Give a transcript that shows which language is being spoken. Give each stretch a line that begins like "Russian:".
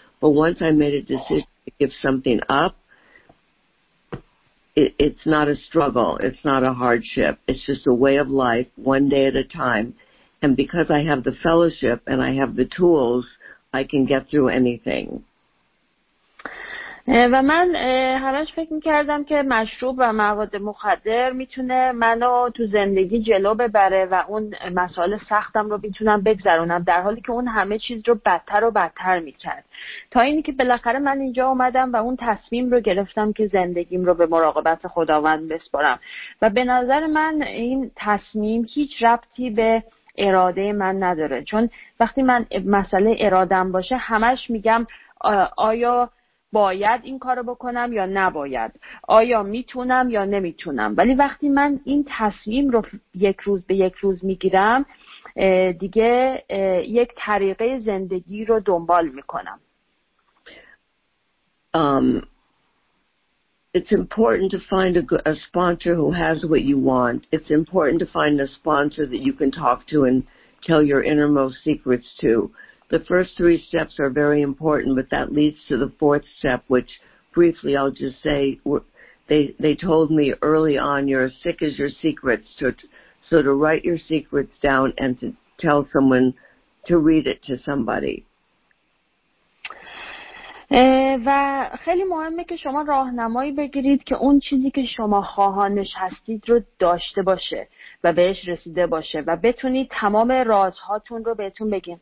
English: But once I made a decision to give something up, it's not a struggle. It's not a hardship. It's just a way of life, one day at a time. And because I have the fellowship and I have the tools, I can get through anything.
Persian: و من همش فکر میکردم که مشروب و مواد مخدر میتونه منو تو زندگی جلو ببره و اون مسائل سختم رو میتونم بگذرونم، در حالی که اون همه چیز رو بدتر و بدتر میکرد، تا اینی که بالاخره من اینجا اومدم و اون تصمیم رو گرفتم که زندگیم رو به مراقبت خداوند بسپارم. و به نظر من این تصمیم هیچ ربطی به اراده من نداره، چون وقتی من مسئله ارادم باشه همش میگم آیا باید این کارو بکنم یا نباید، آیا میتونم یا نمیتونم، ولی وقتی من این تصمیم رو یک روز به یک روز میگیرم دیگه یک طریقه زندگی رو دنبال میکنم.
English: It's important to find a sponsor who has what you want. It's important to find a sponsor that you can talk to and tell your innermost secrets to. The first three steps are very important, but that leads to the fourth step, which briefly I'll just say, they told me early on, you're as sick as your secrets, so to write your secrets down and to tell someone, to read it to somebody.
Persian: و خیلی مهمه که شما راهنمایی بگیرید که اون چیزی که شما خواهانش هستید رو داشته باشه و بهش رسیده باشه و بتونید تمام رازهاتون رو بهتون بگین.